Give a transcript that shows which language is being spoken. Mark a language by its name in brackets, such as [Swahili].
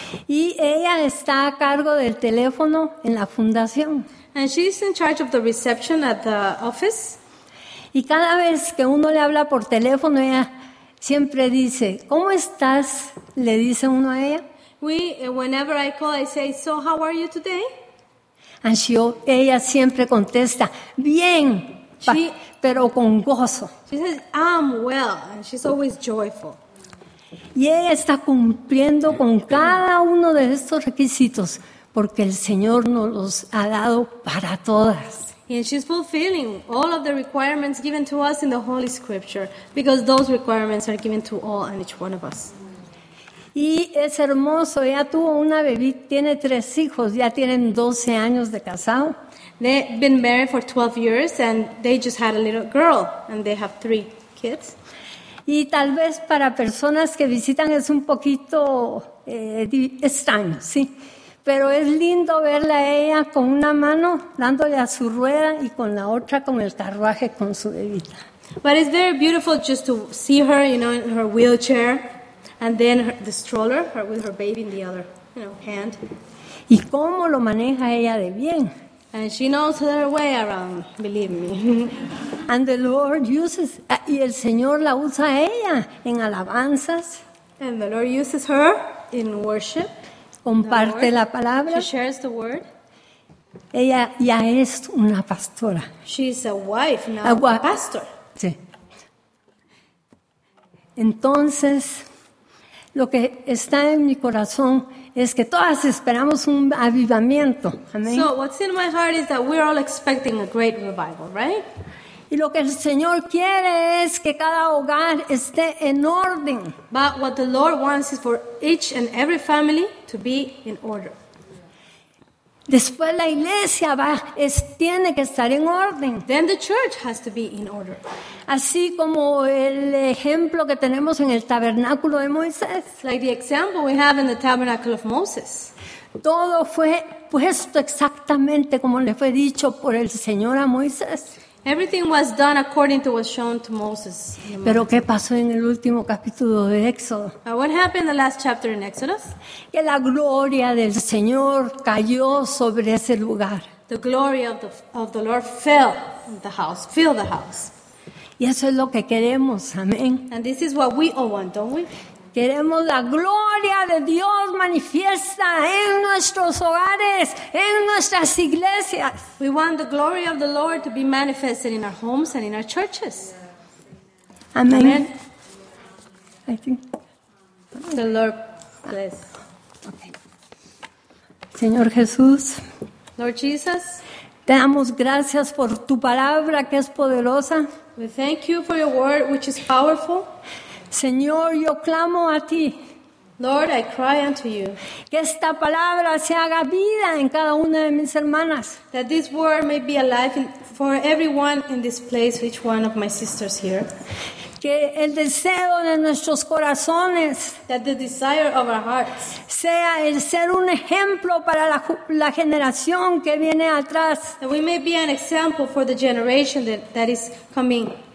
[Spanish] Y ella está a cargo del teléfono en la fundación. [English] And she is in charge of the reception at the office. [Spanish] Y cada vez que uno le habla por teléfono, ella siempre dice, ¿cómo estás? Le dice uno a ella. [English] Whenever I call, I say, so how are you today? And [Spanish] ella siempre contesta, bien, pero con gozo. [English] She says, I'm well, and she's always joyful. [Spanish] Y ella está cumpliendo con cada uno de estos requisitos, porque el Señor nos los ha dado para todas. [English] And she's fulfilling all of the requirements given to us in the Holy Scripture, because those requirements are given to all and each one of us. [Spanish] Y es hermoso, ella tuvo una bebita, tiene tres hijos, ya tienen 12 años de casado. [English] They've been married for 12 years and they just had a little girl and they have three kids. [Spanish] Y tal vez para personas que visitan es un poquito extraño, sí. Pero es lindo verla a ella con una mano dándole a su rueda y con la otra con el carruaje con su bebita. [English] But it's very beautiful just to see her, you know, in her wheelchair and then the stroller with her baby in the other, you know, hand. [Spanish] Y cómo lo maneja ella de bien. [English] And she knows her way around, believe me. And the Lord uses, [Spanish] y el Señor la usa a ella en alabanzas. [English] And the Lord uses her in worship. [Spanish] Comparte [English] the [Spanish] la palabra. [English] She shares the word. [Spanish] Ella ya es una pastora. [English] She's a wife, now a pastor. [Spanish] Sí. Entonces, lo que está en mi corazón es que todas esperamos un avivamiento. Amén. [English] So what's in my heart is that we're all expecting a great revival, right? [Spanish] Y lo que el Señor quiere es que cada hogar esté en orden. [English] But what the Lord wants is for each and every family to be in order. [Spanish] Después la iglesia tiene que estar en orden. [English] Then the church has to be in order. [Spanish] Así como el ejemplo que tenemos en el tabernáculo de Moisés. [English] Like the example we have in the tabernacle of Moses. [Spanish] Todo fue puesto exactamente como le fue dicho por el Señor a Moisés. [English] Everything was done according to what was shown to Moses. [Spanish] Pero ¿qué pasó en el último capítulo de Éxodo? [English] What happened in the last chapter in Exodus? [Spanish] Que la gloria del Señor cayó sobre ese lugar. [English] The glory of the Lord fell in the house, filled the house. [Spanish] Y eso es lo que queremos, amén. [English] And this is what we all want, don't we? [Spanish] Queremos la gloria de Dios manifiesta en nuestros hogares, en nuestras iglesias. [English] We want the glory of the Lord to be manifested in our homes and in our churches. Amen. Amen. I think the Lord bless. [Spanish] Okay. Señor Jesús. [English] Lord Jesus. [Spanish] Te damos gracias por tu palabra que es poderosa. [English] We thank you for your word which is powerful. [Spanish] Señor, yo clamo a ti. [English] Lord, I cry unto you. [Spanish] Que esta palabra se haga vida en cada una de mis hermanas. [English] That this word may be alive for everyone in this place, each one of my sisters here. [Spanish] Que el deseo de nuestros corazones, [English] that the desire of our hearts, [Spanish] sea el ser un ejemplo para la generación que viene atrás. [English] That we may be an example for the generation that is coming.